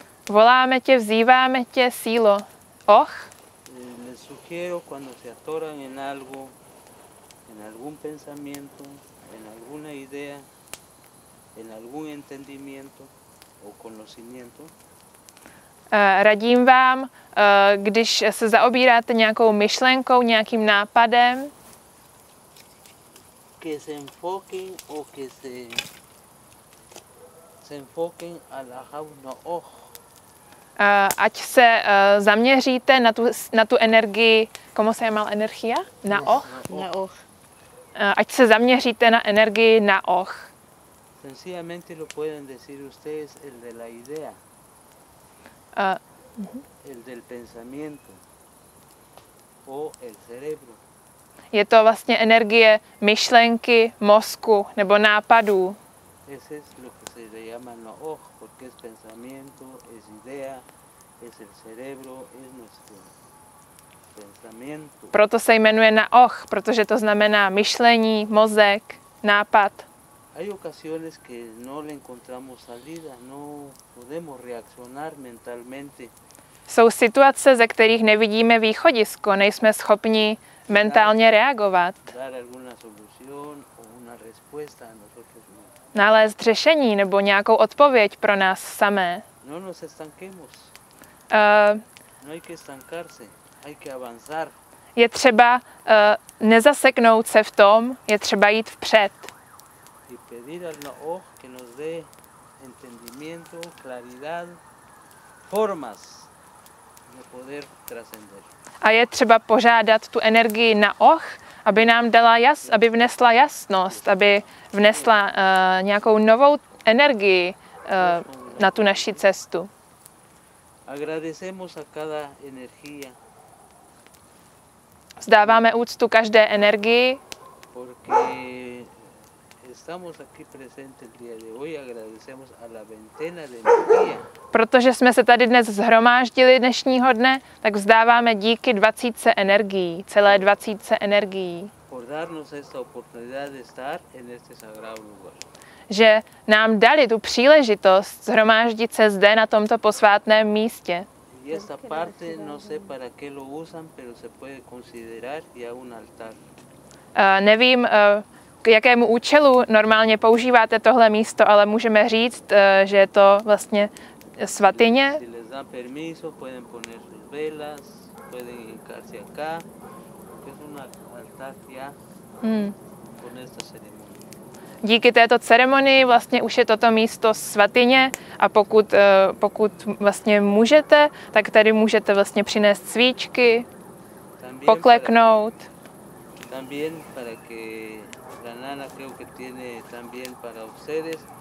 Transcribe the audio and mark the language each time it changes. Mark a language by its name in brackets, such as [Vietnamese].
[Czech] Voláme tě, vzýváme tě, sílo. Och. [Spanish] Sugiero cuando se atoran en algo, en algún pensamiento, en alguna idea, en algún entendimiento o conocimiento. [Czech] Radím vám, když se zaobíráte nějakou myšlenkou, nějakým nápadem, [Spanish] que se enfoquen o que se enfoquen a la jauna oh. [Czech] Ať se zaměříte na tu energii, komu se jmenuje energie? Na och? Na och. Ať se zaměříte na energii na och. [Spanish] Sencillamente lo pueden decir ustedes el de la idea. El del pensamiento. O el cerebro. [Czech] Je to vlastně energie myšlenky, mozku nebo nápadů. [Spanish] Eso es lo que se le llama no oh, porque es pensamiento, es idea, es el cerebro, es nuestro pensamiento. [Czech] Proto se jmenuje na oh, protože to znamená myšlení, mozek, nápad. [Spanish] Hay ocasiones que no le encontramos salida, no podemos reaccionar mentalmente. [Czech] Jsou situace, ze kterých nevidíme východisko, nejsme schopni mentálně reagovat. [Spanish] Dar alguna solución o una respuesta a nosotros mismos. [Czech] Nalézt řešení nebo nějakou odpověď pro nás samé. [Spanish] No nos estanquemos. No hay que estancarse, hay que avanzar. [Czech] Je třeba nezaseknout se v tom, je třeba jít vpřed. [Spanish] Y pedir al ojo que nos dé entendimiento, claridad, formas de poder trascender. [Czech] A je třeba požádat tu energii na och, aby nám dala aby vnesla jasnost, aby vnesla nějakou novou energii na tu naši cestu. [Spanish] Agradecemos a cada energía. [Czech] Vzdáváme úctu každé energii. [Spanish] Porque estamos aquí presentes el día de hoy, agradecemos a la ventena de energía. [Czech] Protože jsme se tady dnes zhromáždili dnešního dne, tak vzdáváme díky 20 energií, celé 20 energií. [Spanish] Por darnos esta oportunidad de estar en este sagrado lugar. [Czech] Že nám dali tu příležitost zhromáždit se zde na tomto posvátném místě. [Spanish] Y esta parte no sé para qué lo usan, pero se puede considerar ya un altar. [Czech] Nevím, k jakému účelu normálně používáte tohle místo, ale můžeme říct, že je to vlastně svatyně. [Spanish] Si les dan permiso, pueden poner sus velas, pueden hincarse acá, que es una altar ya, con esta ceremonia. [Czech] Díky této ceremonii vlastně už je toto místo svatyně a pokud vlastně můžete, tak tady můžete vlastně přinést svíčky, [Spanish] también [Czech] pokleknout. [Spanish] También para que la nana creo que tiene también para ustedes.